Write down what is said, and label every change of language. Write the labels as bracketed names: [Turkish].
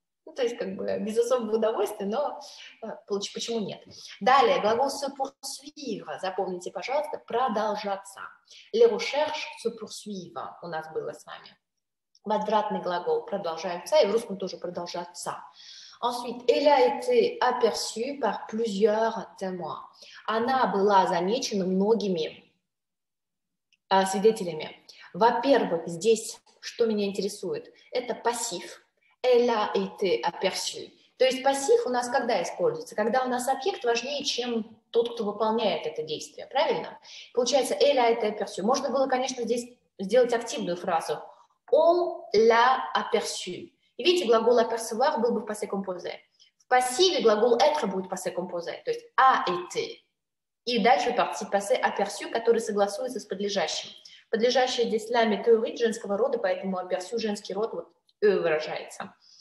[Russian] Ну, то есть, как бы, без особого удовольствия, но почему нет? Далее, глагол «se poursuivre». Запомните, пожалуйста, «продолжаться». [French] «Les recherches se poursuivent» [Russian] у нас было с вами. Возвратный глагол продолжается, и в русском тоже продолжаться. [French] Ensuite, elle a été aperçue par plusieurs témoins. [Russian] Она была замечена многими свидетелями. Во-первых, здесь, что меня интересует, это пассив. [French] Elle a été aperçue. [Russian] То есть пассив у нас когда используется? Когда у нас объект важнее, чем тот, кто выполняет это действие, правильно? Получается, [French] elle a été aperçue. [Russian] Можно было, конечно, здесь сделать активную фразу. Он [French] l'a aperçu. [Russian] И видите, глагол apercevoir был бы в passé composé. В пассиве глагол être будет в passé composé, то есть a été. И дальше participe passé aperçu, который согласуется с подлежащим. Подлежащее здесь la météорит женского рода, поэтому aperçu женский род, вот e выражается.